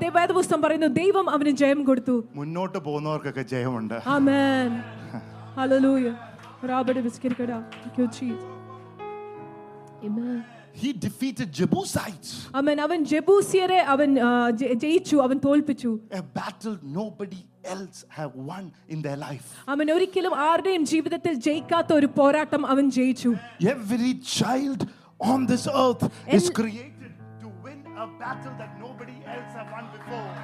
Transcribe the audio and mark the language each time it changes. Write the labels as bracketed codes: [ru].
[ml] വേദപുസ്തകം പറയുന്നു ദൈവം അവനെ ജയം കൊടുത്തു. മുന്നോട്ട് പോകുന്നവർക്കൊക്കെ ജയമുണ്ട്. ആമേൻ. ഹല്ലേലൂയ. റബ്ബേ വിശ്വസിക്കടാ. [en] Thank you Jesus. [ml] Amen. [en] He defeated Jebusites. [ml] ആമേൻ. അവൻ ജെബൂസിയരെ അവൻ ജയിച്ചു, അവൻ തോൽപ്പിച്ചു. [en] A battle nobody else have won in their life. [ml] അവൻ ഒരിക്കലും ആരുടെയും ജീവിതത്തിൽ ജയിക്കാത്ത ഒരു പോരാട്ടം അവൻ ജയിച്ചു. [en] Every child on this earth is created to win a battle that nobody else have won before.